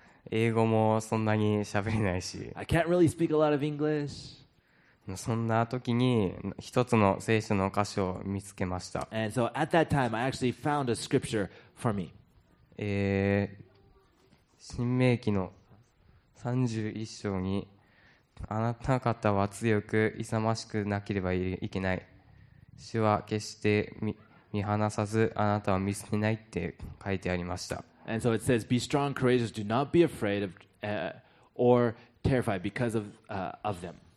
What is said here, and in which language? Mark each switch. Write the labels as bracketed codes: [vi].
[ja] 英語もそんなに喋れないし。 [en] I can't really speak a lot of English. [ja] そんな時に一つの聖書の箇所を見つけました。 [en] And so at that time, I actually found a scripture for me. [ja] 申命記の31章に、あなた方は強く勇ましくなければいけない。主は決して見放さずあなたは見捨てないって書いてありました。 [en] And so it says, be strong, courageous, do not be afraid of, or terrified because of, of them.